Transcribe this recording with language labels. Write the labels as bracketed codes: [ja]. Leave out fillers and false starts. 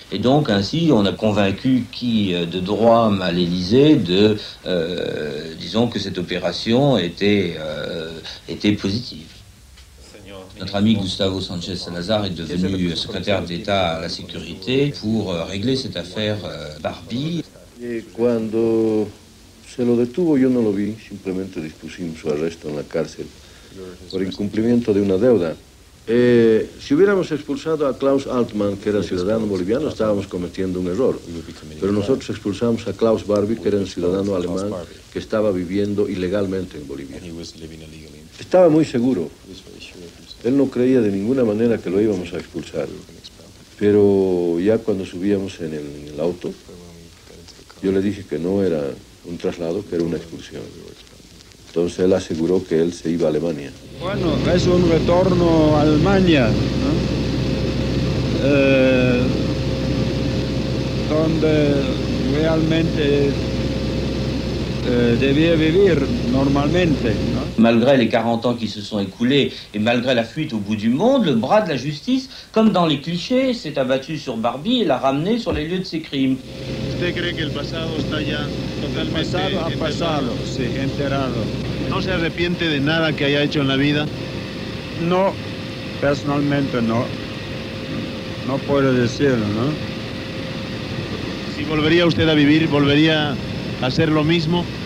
[fr] Et donc, ainsi, on a convaincu qui de droit à l'Élysée de, disons, que cette opération était, était positive. Notre ami Gustavo Sanchez Salazar est devenu secrétaire d'État à la sécurité pour régler cette affaire Barbie. [es] Et quand se lo detuvo, yo no lo vi, simplemente dispusimos su arresto en la cárcel por incumplimiento de una deuda. Si hubiéramos expulsado a Klaus Altman, que era ciudadano boliviano, estábamos cometiendo un error. Pero nosotros expulsamos a Klaus Barbie, que era un ciudadano alemán que estaba viviendo ilegalmente en Bolivia. Estaba muy seguro. Él no creía de ninguna manera que lo íbamos a expulsar. Pero ya cuando subíamos en el auto, yo le dije que no era un traslado, que era una expulsión. Entonces él aseguró que él se iba a Alemania. Bueno, es un retorno a Alemania, ¿no? Donde realmente debía vivir normalmente, ¿no? [fr] Malgré les 40 ans qui se sont écoulés et malgré la fuite au bout du monde, le bras de la justice, comme dans les clichés, s'est abattu sur Barbie et l'a ramené sur les lieux de ses crimes. [es] ¿Usted cree que el pasado está ya totalmente enterrado? Ha pasado, sí, enterrado. ¿No se arrepiente de nada que haya hecho en la vida? No, personalmente no. No puedo decirlo, ¿no? Si volvería usted a vivir, ¿volvería a hacer lo mismo?